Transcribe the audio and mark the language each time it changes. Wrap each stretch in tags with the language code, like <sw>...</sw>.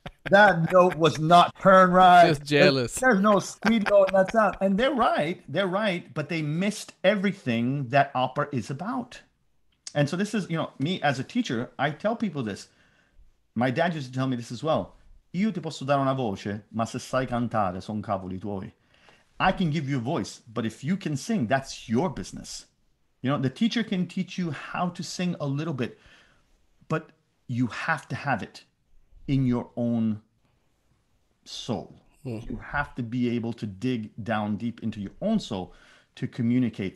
<en>That note was not turn right. Just jealous. There's no speed note in that sound. And they're right, but they missed everything that opera is about. And so this is, you know, me as a teacher, I tell people this. My dad used to tell me this as well.</en> <it>Io ti posso dare una voce, ma se sai cantare, son cavoli tuoi.</it> <en>I can give you a voice, but if you can sing, that's your business. You know, the teacher can teach you how to sing a little bit, but you have to have it in your own soul. Mm. You have to be able to dig down deep into your own soul to communicate.</en>